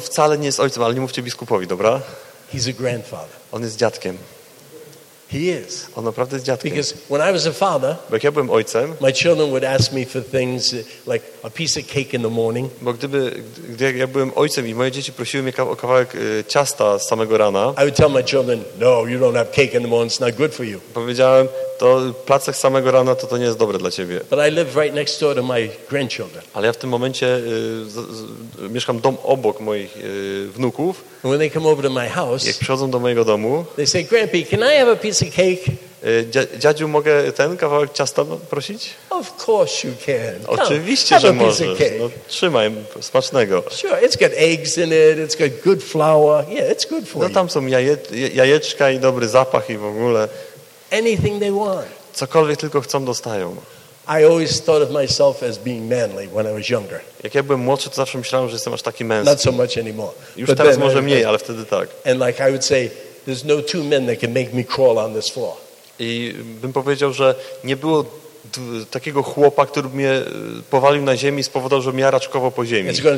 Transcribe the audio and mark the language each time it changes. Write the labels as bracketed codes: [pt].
[pl] wcale nie jest ojcem, ale nie mówcie biskupowi, dobra? [en] He's a grandfather. [pl] On jest dziadkiem. [en] He is. [pl] On naprawdę jest dziadkiem. [en] Because when I was a father, [pl] bo jak ja byłem ojcem, [en] my children would ask me for things like a piece of cake in the morning. [pl] Bo gdy ja byłem ojcem i moje dzieci prosiły mnie o kawałek ciasta z samego rana, [en] I would tell my children, no, you don't have cake in the morning. It's not good for you. [pl] Powiedziałem, to placek z samego rana to nie jest dobre dla ciebie. [en] But I live right next door to my grandchildren. [pl] Ale ja w tym momencie mieszkam dom obok moich wnuków. [en] And when they come over to my house, [pl] jak przychodzą do mojego domu, [en] they say, Grandpa, can I have a piece of cake? [pl] Dziadziu, mogę ten kawałek ciasta prosić? [en] Of course you can. [pl] Oczywiście, że możesz. No, trzymaj, smacznego. [en] Sure, it's got eggs in it, it's got good flour. Yeah, it's good for you. [pl] No tam są jajeczka i dobry zapach i w ogóle. [en] Anything they want. [pl] Cokolwiek tylko chcą, dostają. [en] I always thought of myself as being manly when I was younger. [pl] Jak ja byłem młodszy, to zawsze myślałem, że jestem aż taki męski. [en] Not so much anymore. [pl] Już [en] but [pl] teraz może mniej, ale wtedy tak. [en] And like I would say, there's no two men that can make me crawl on this floor. [pl] I bym powiedział, że nie było takiego chłopa, który mnie powalił na ziemi i spowodował, że ja raczkowo po ziemi.